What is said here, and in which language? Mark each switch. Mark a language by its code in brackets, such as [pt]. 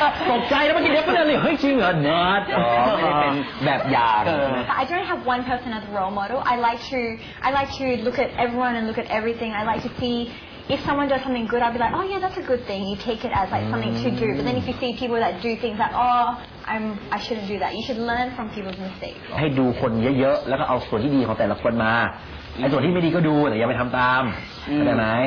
[th] ตกใจแล้วเมื่อกี้ definitely เฮ้ยจริงเหรอ not แบบอย่าง [en] I don't have one person as a role model. I like to look at everyone and look at everything. I like to see. If someone does something good, I'll be like, oh yeah, that's a good thing. You take it as like something to do. But then if you see people that do things that, I shouldn't do that. You should learn from people's mistakes. [th] ให้ดูคนเยอะๆแล้วก็เอาส่วนที่ดีของแต่ละคนมาไอ้ส่วนที่ไม่ดีก็ดูแต่อย่าไปทำตามได้ไหม